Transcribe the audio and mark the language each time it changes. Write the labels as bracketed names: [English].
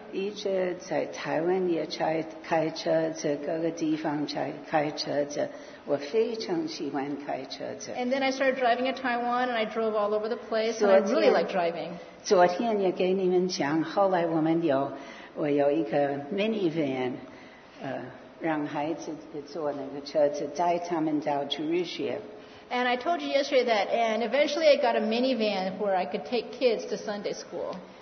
[Chinese] 一直在台湾也开车子，各个地方开车子。我非常喜欢开车子。 [English] And then I started driving in Taiwan and I drove all over the place. So I really like driving. [Chinese] 昨天也给你们讲，后来我有一个 minivan. 让孩子坐那个车子，带他们到主日学。 [English] And I told you yesterday that, and eventually I got a minivan where I could take kids to Sunday school.